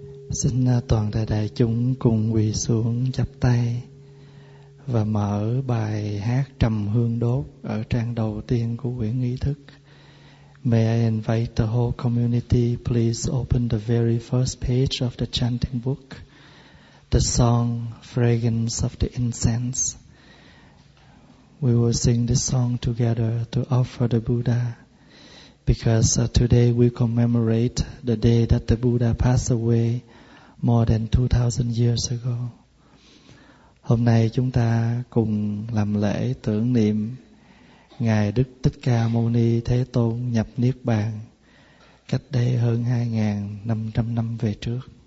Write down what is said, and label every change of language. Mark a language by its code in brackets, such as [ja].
[vi] Xin toàn thể đại chúng cùng quỳ xuống chắp tay và mở bài hát Trầm Hương Đốt ở trang đầu tiên của quyển nghi thức. [en] May I invite the whole community please open the very first page of the chanting book, the song Fragrance of the Incense. We will sing this song together to offer the Buddha, because today we commemorate the day that the Buddha passed away more than 2,000 years ago. [vi] Hôm nay chúng ta cùng làm lễ tưởng niệm Ngài Đức Thích Ca Mâu Ni Thế Tôn nhập Niết Bàn cách đây hơn 2.500 năm về trước.